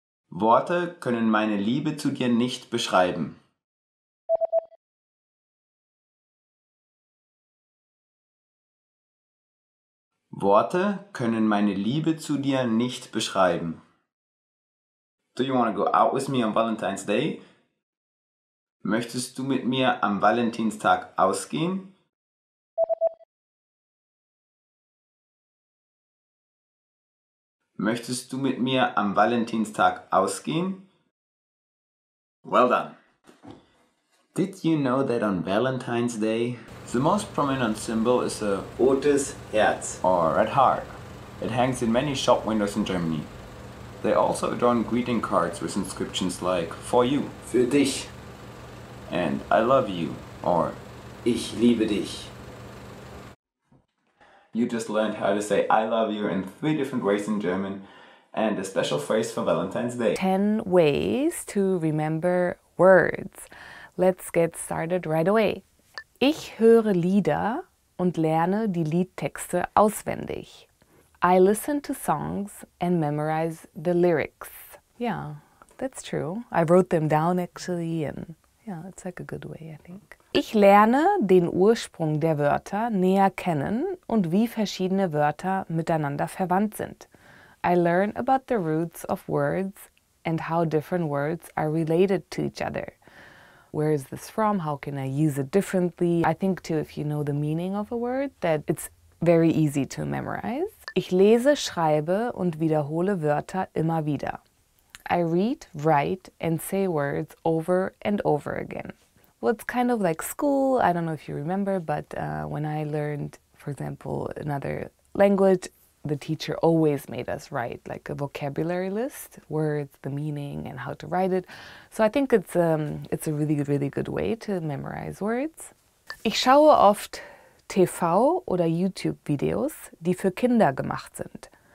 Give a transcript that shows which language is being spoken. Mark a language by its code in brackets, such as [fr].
[de] Worte können meine Liebe zu dir nicht beschreiben. Worte können meine Liebe zu dir nicht beschreiben. [en] Do you want to go out with me on Valentine's Day? [de] Möchtest du mit mir am Valentinstag ausgehen? Möchtest du mit mir am Valentinstag ausgehen? [en] Well done! Did you know that on Valentine's Day, the most prominent symbol is a [de] rotes Herz, [en] or red heart. It hangs in many shop windows in Germany. They also adorn greeting cards with inscriptions like For you, [de] für dich, [en] and I love you, or [de] Ich liebe dich. [en] You just learned how to say I love you in three different ways in German, and a special phrase for Valentine's Day. 10 ways to remember words. Let's get started right away. [de] Ich höre Lieder und lerne die Liedtexte auswendig. [en] I listen to songs and memorize the lyrics. Yeah, that's true. I wrote them down actually and yeah, it's like a good way, I think. [de] Ich lerne den Ursprung der Wörter näher kennen und wie verschiedene Wörter miteinander verwandt sind. [en] I learn about the roots of words and how different words are related to each other. Where is this from? How can I use it differently? I think too, if you know the meaning of a word, that it's very easy to memorize. [de] Ich lese, schreibe und wiederhole Wörter immer wieder. [en] I read, write and say words over and over again. Well, it's kind of like school. I don't know if you remember, but when I learned, for example, another language, the teacher always made us write like a vocabulary list, words, the meaning and how to write it. So I think it's a really, really good way to memorize words. [de] Ich schaue oft TV oder YouTube Videos, die für Kinder gemacht sind.